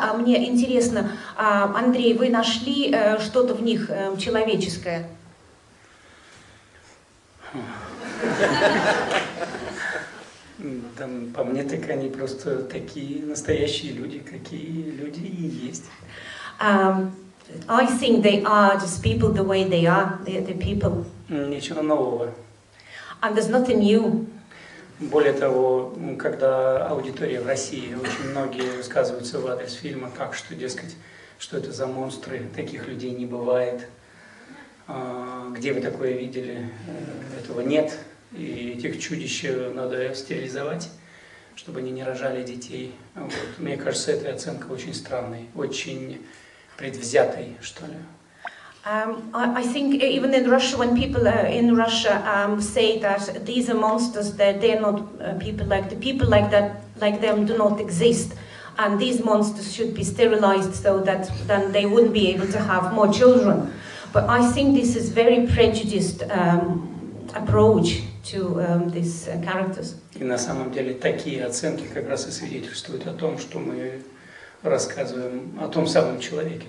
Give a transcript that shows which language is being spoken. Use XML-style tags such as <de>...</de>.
<ru>А мне интересно, Андрей, вы нашли что-то в них человеческое? Там, по мне, так они просто такие настоящие люди, какие люди и есть.</ru> <en>I think they are just people the way they are. They're people.</en> <ru>Ничего нового.</ru> <en>And there's nothing new.</en> <ru>Более того, когда аудитория в России, очень многие высказываются в адрес фильма, как что, дескать, что это за монстры, таких людей не бывает. Где вы такое видели? Этого нет. И этих чудищ надо стерилизовать, чтобы они не рожали детей. Вот. Мне кажется, эта оценка очень странная, очень предвзятой, что ли.</ru> <en>I think even in Russia, when people in Russia say that these are monsters, that they're not people, like the people like that, like them do not exist, and these monsters should be sterilized so that then they wouldn't be able to have more children. But I think this is very prejudiced approach to these characters.</en> <ru>И на самом деле такие оценки как раз и свидетельствуют о том, что мы рассказываем о том самом человеке.</ru>